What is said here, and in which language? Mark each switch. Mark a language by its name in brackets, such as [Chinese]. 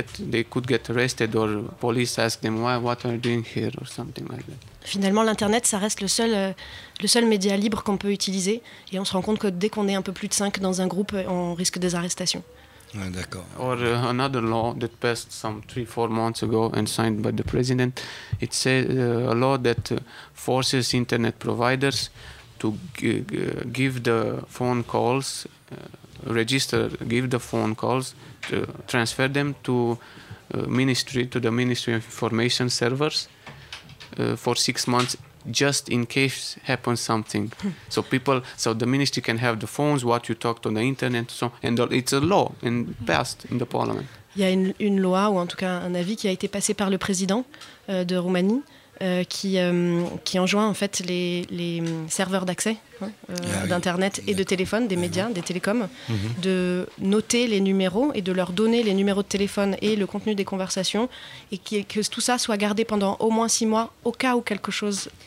[English] They could get arrested or police ask them what are you doing here or something like that. [French] Finalement, l'internet, ça reste le seul média libre qu'on peut utiliser, et on se rend compte que dès qu'on est un peu plus de 5 dans un groupe, on risque des arrestations. Ouais, d'accord. [English] Or another law that passed some 3-4 months ago and signed by the president, it says a law that forces internet providers to give the phone calls. Register, give the phone calls, transfer them to ministry, to the Ministry of Information servers for 6 months just in case happens something. So people, so the ministry can have the phones, what you talked on the internet, so, and it's a law in, passed in the parliament. [French] Il y a une loi, ou en tout cas un avis, qui a été passé par le président de Roumanie, qui enjoint en fait les serveurs d'accès d'Internet et de téléphone, des médias, des télécoms, de noter les numéros et de leur donner les numéros de téléphone et le contenu des conversations, et que tout ça soit gardé pendant au moins 6 mois, au cas où quelque chose...